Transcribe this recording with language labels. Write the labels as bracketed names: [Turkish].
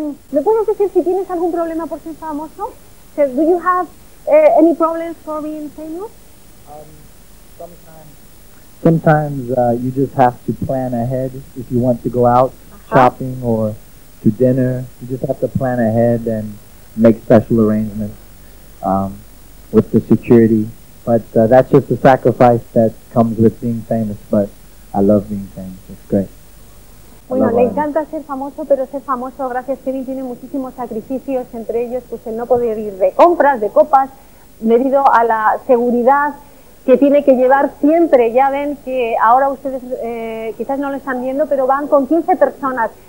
[Spanish] ¿Me puedes decir si tienes algún problema por ser famoso? [English] So, do you have any problems for being famous? Sometimes you just have to plan ahead if you want to go out shopping or to dinner. You just have to plan ahead and make special arrangements with the security. But that's just a sacrifice that comes with being famous. But I love being famous. It's great. [Spanish] Bueno, le encanta ser famoso, pero ser famoso, gracias Kevin, tiene muchísimos sacrificios, entre ellos pues el no poder ir de compras, de copas, debido a la seguridad que tiene que llevar siempre. Ya ven que ahora ustedes quizás no lo están viendo, pero van con 15 personas.